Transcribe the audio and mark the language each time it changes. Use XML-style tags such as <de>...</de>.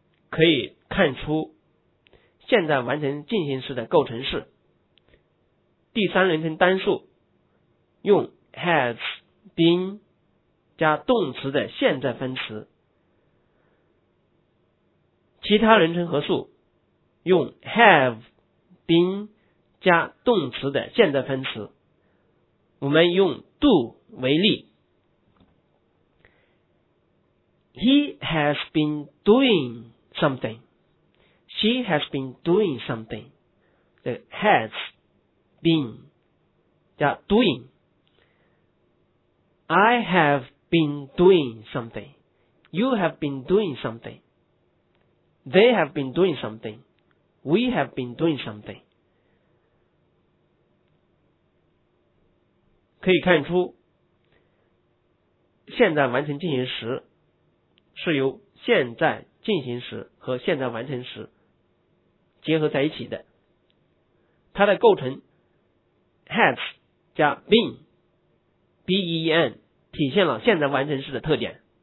<zh>可以看出现在完成进行时的构成是第三人称单数，用</zh> <en>has been</en> <zh>加动词的现在分词，其他人称合数用</zh> <en>have been</en> <zh>加动词的现在分词。我们用</zh> <en>do</en> <zh>为例，</zh> <en>He has been doing something. She has been doing something.</en> <zh>这</zh> <en>has been</en> <zh>加</zh> <en>doing， I have been doing something. You have been doing something. They have been doing something. We have been doing something.</en> <zh>可以看出现在完成进行时是由现在进行时和现在完成时结合在一起的，它的构成 has 加 been B-E-N 体现了现在完成时的特点。</zh>